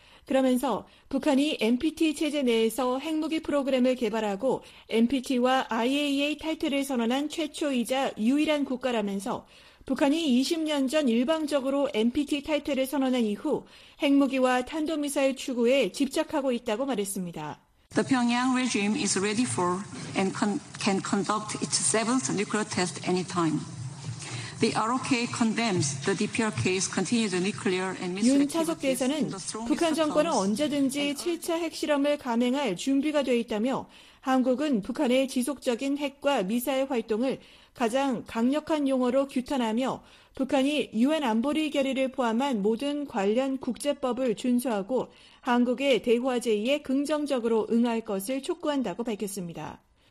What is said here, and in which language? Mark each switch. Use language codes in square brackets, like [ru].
[ko] 그러면서 북한이 NPT 체제 내에서 핵무기 프로그램을 개발하고 NPT와 IAEA 탈퇴를 선언한 최초이자 유일한 국가라면서 북한이 20년 전 일방적으로 NPT 탈퇴를 선언한 이후 핵무기와 탄도미사일 추구에 집착하고 있다고 말했습니다. [en] The Pyongyang regime is ready for and can conduct its seventh nuclear test anytime. The ROK condemns the DPRK's continued nuclear and missile. [ko] 윤 차석 대사는 북한 정권은 언제든지 7차 핵실험을 감행할 준비가 되어 있다며 한국은 북한의 지속적인 핵과 미사일 활동을 가장 강력한 용어로 규탄하며 북한이 유엔 안보리 결의를 포함한 모든 관련 국제법을 준수하고 한국의 대화 제의에 긍정적으로 응할 것을 촉구한다고 밝혔습니다.